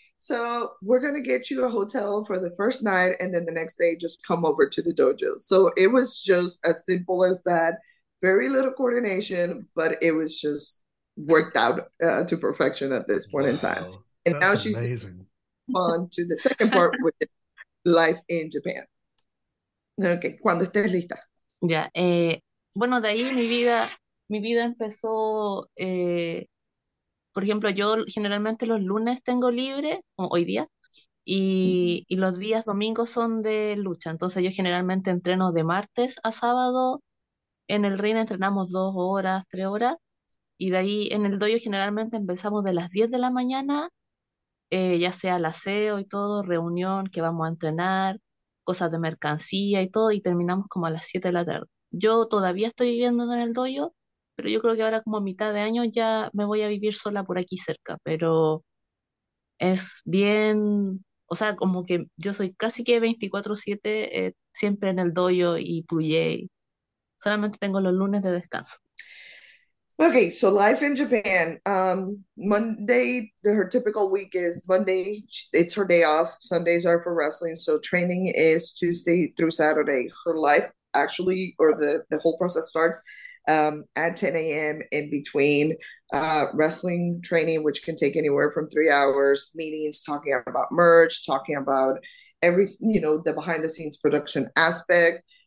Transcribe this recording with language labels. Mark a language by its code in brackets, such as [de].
[en] So we're gonna get you a hotel for the first night, and then the next day just come over to the dojo. So it was just as simple as that. Very little coordination, but it was just worked out to perfection at this point in time. Wow, And now that's she's amazing. on to the second part with life in Japan. [es] Okay, cuando estés lista. Ya, bueno, de ahí mi vida empezó, por ejemplo, yo generalmente los lunes tengo libre, hoy día, y los días domingos son de lucha, entonces yo generalmente entreno de martes a sábado, en el ring entrenamos 2 horas, 3 horas. Y de ahí en el dojo generalmente empezamos de las 10 de la mañana, ya sea el aseo y todo, reunión que vamos a entrenar, cosas de mercancía y todo, y terminamos como a las 7 de la tarde. Yo todavía estoy viviendo en el dojo, pero yo creo que ahora como a mitad de año ya me voy a vivir sola por aquí cerca, pero es bien, o sea, como que yo soy casi que 24/7 siempre en el dojo y puye, solamente tengo los lunes de descanso. [en] Okay, so life in Japan. Monday, her typical week is Monday, it's her day off. Sundays are for wrestling. So training is Tuesday through Saturday. Her life actually, or the whole process starts at 10 a.m. in between wrestling training, which can take anywhere from 3 hours, meetings, talking about merch, talking about every, the behind the scenes production aspect.